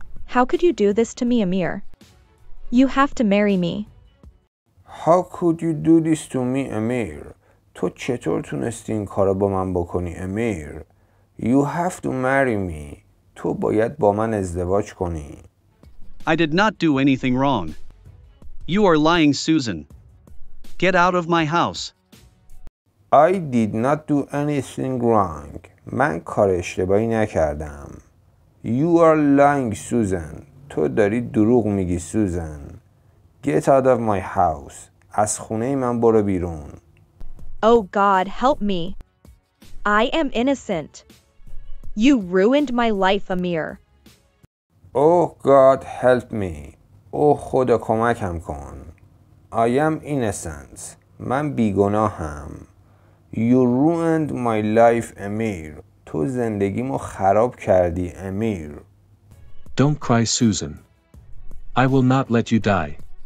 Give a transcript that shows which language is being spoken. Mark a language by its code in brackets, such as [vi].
[en] How could you do this to me, Amir? You have to marry me. How could you do this to me, Amir? [fa] تو چطور تونستی این کار با من بکنی, Amir? [en] You have to marry me. [fa] تو باید با من ازدواج کنی. [en] I did not do anything wrong. You are lying, Susan. Get out of my house. I did not do anything wrong. [fa] من کار اشتباهی نکردم. [en] You are lying, [fa] Susan. تو داری دروغ میگی, Susan. [en] Get out of my house. [fa] از خونه من برو بیرون. [en] Oh God, help me. I am innocent. You ruined my life, Amir. Oh God, help me. Oh [fa] خدا کمکم کن. [en] I am innocent. [fa] من بیگناهم. [en] You ruined my life, Amir. [fa] تو زندگیمو خراب کردی, امیر. [en] Don't cry, Susan. I will not let you die.